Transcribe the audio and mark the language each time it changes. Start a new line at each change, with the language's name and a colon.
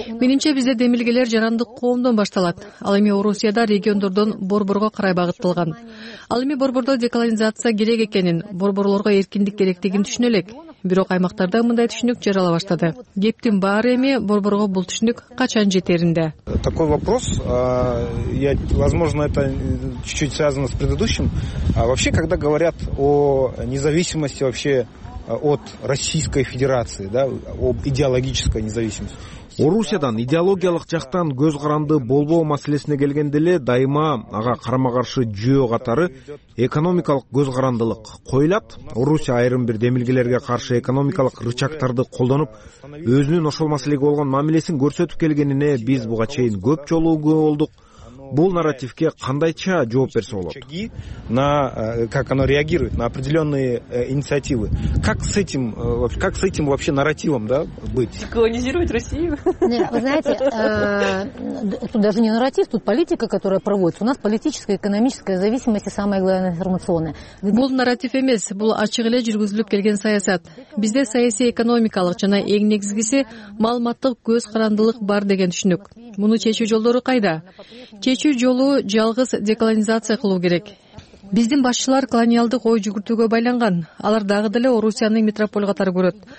Kyrgyz: Менимче, бизде демилгелер жарандык коомдон башталат. Ал эми Орусияда региондордон борборго карай багытталган. Ал эми борбордо деколонизация керек экенин, борборлорго эркиндик керектигин түшүнө элек. Бирок аймактарда мындай түшүнүк жарала баштады. Кептин баары эми борборго бул түшүнүк качан жетеринде?
Russian: Такой вопрос, я, возможно, это чуть-чуть связано с предыдущим. А вообще, когда говорят о независимости вообще от Российской Федерации, да, об идеологической независимости.
Kyrgyz: Орусиядан идеологиялык жактан көз каранды болбоо маселесине келгенде эле дайыма ага карама каршы жүйө катары экономикалык көз карандылык коюлат. Орусия айрым бир демилгелерге каршы экономикалык рычагтарды колдонуп өзүнүн ошол маселеге болгон мамилесин көрсөтүп келгенине биз буга чейин көп жолу болдук. Бул нарративге кандайча жооп берсе болот?
Russian: На как оно реагирует на определенные инициативы? Как с этим вообще нарративом, да, быть? Колонизировать Россию? Нет, вы знаете, тут даже не нарратив, тут политика, которая проводится. У нас политическая, экономическая зависимость и самое главное информационная.
Kyrgyz: Бул нарратив эмес, бул ачык эле жүргүзүлүп келген саясат. Бизде саясий экономикалык жана эң негизгиси маалыматтык көз карандылык бар деген түшүнүк. Муну чечүү жолдору кайда? Чечүү жолу жалгыз деколонизация кылуу керек. Биздин башчылар колониалдык ой жүгүртүүгө байланган. Алар дагы деле Орусияны метрополь катары көрөт.